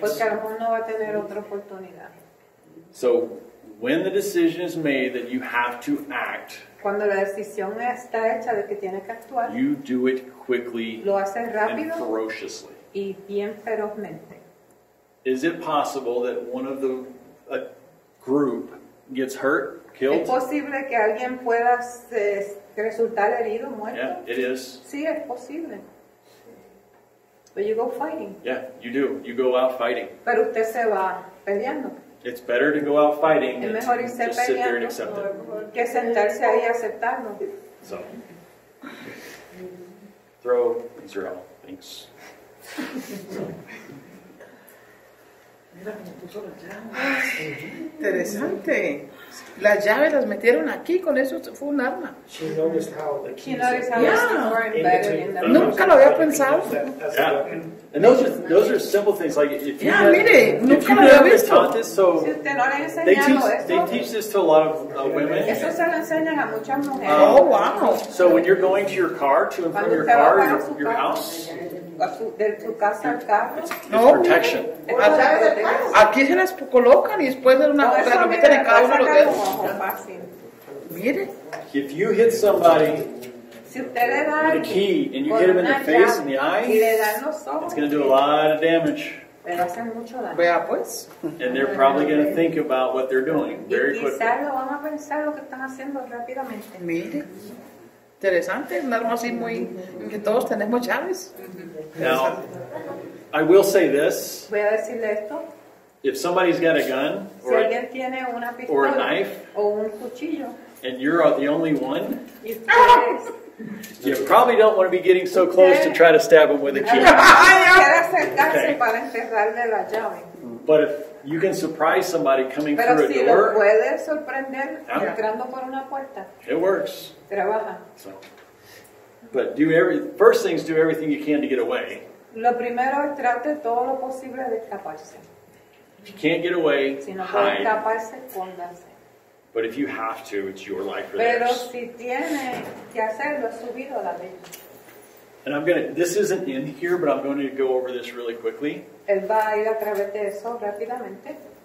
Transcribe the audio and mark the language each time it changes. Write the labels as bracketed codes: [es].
[es] Porque a lo mejor no va a tener otra oportunidad. [en] So, when the decision is made that you have to act, [es] cuando la decisión está hecha de que tiene que actuar, [en] you do it quickly, [es] lo hace rápido [en] and ferociously. [es] Y bien ferozmente. [en] Is it possible that one of the group gets hurt, killed? [es] ¿Es posible que alguien pueda resultar herido, muerto? [en] Yeah, it is. [es] Sí, es posible. [en] But you go fighting. Yeah, you do. You go out fighting. [es] Pero usted se va peleando. [en] It's better to go out fighting than to just sit there and accept it. [es] Que sentarse ahí aceptarlo. [en] So, throw Israel. Thanks. [es] Interesante. Las llaves las metieron aquí, con eso fue un arma. [en] She noticed how the keys are in between. [es] Nunca lo había pensado. [en] And those are simple things like if you they teach this to a lot of women. [es] Eso se lo enseñan a muchas mujeres. [en] Oh wow! So when you're going to your car to inform your car or your house. Protection. [es] Aquí se las colocan y después de una cosa lo meten en cada uno de ellos. Mire. [en] If you hit somebody with a key and you hit him in the face and the eyes, it's going to do a lot of damage. [es] Vea pues. [en] And they're probably going to think about what they're doing very quickly. [es] Quizás lo van a pensar lo que están haciendo rápidamente. Mire. Interesante, un arma así muy que todos tenemos llaves. [en] Now, I will say this. [es] Voy a decirle esto. [en] If somebody's got a gun [es] or, si alguien tiene una pistola, [en] or a knife [es] o un cuchillo, [en] and you're the only one, [es] y ustedes, [en] you probably don't want to be getting so close to try to stab them with a key. Okay. But if you can surprise somebody coming [es] pero [en] through [es] si [en] a door, [es] lo puede sorprender entrando por una puerta, [en] it works. [es] Trabaja. [en] So, but do everything you can to get away. [es] Lo primero es trate todo lo posible de escaparse. [en] If you can't get away, [es] si no [en] hide. [es] Puede escaparse, póngase. [en] But if you have to, it's your life or [es] pero [en] theirs. [es] Si tiene que hacerlo, su vida, la vida. [en] And I'm going to, this isn't in here, but I'm going to go over this really quickly. [es] Él va a ir a través de eso rápidamente.